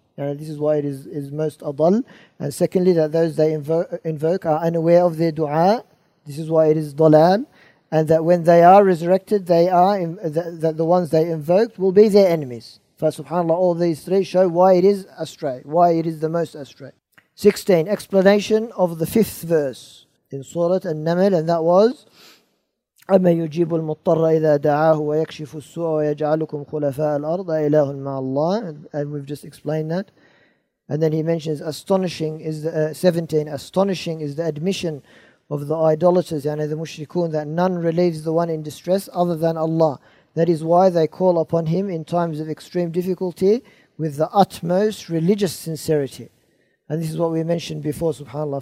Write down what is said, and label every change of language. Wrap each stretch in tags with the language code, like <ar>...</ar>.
<en>And this is why it is most adal. And secondly, that those they invoke are unaware of their dua. This is why it is dalal. And that when they are resurrected, they are that the ones they invoked will be their enemies. فَسُبْحَانَ اللَّهِ, all these three show why it is astray, why it is the most astray. 16, explanation of the fifth verse in Surah An-Naml, and that was,</en> <ar>أَمَّنْ يُجِيبُ الْمُضْطَرَّ إِذَا دَعَاهُ وَيَكْشِفُ السُّوءَ وَيَجْعَلُكُمْ خُلَفَاءَ الْأَرْضَ إِلَهٌ مَعَ اللَّهِ.</ar> <en>And we've just explained that. And then he mentions, astonishing is the, 17, astonishing is the admission of the idolaters, yani the mushrikun, that none relieves the one in distress other than Allah. That is why they call upon him in times of extreme difficulty with the utmost religious sincerity. And this is what we mentioned before, subhanAllah.</en>